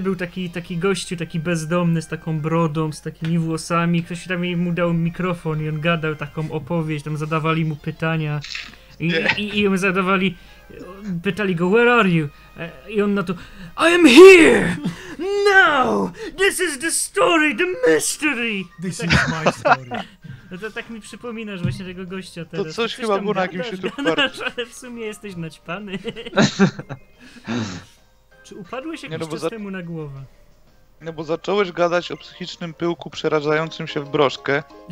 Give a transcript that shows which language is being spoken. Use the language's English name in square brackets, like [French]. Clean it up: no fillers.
[Polish] Był taki gościu, taki bezdomny, z taką brodą, z takimi włosami. Ktoś tam mu dał mikrofon i on gadał taką opowieść, tam zadawali mu pytania. I mu zadawali, pytali go, [English] where are you? [Polish] I on na to, [English] I am here! Now! This is the story, the mystery! This is my story. [Polish] No to tak mi przypominasz właśnie tego gościa teraz. To coś chyba było na jakimś YouTube parcie. Ale w sumie jesteś naćpany. Czy upadłeś jakiś czas temu na głowę? No bo zacząłeś gadać o psychicznym pyłku przerażającym się w broszkę.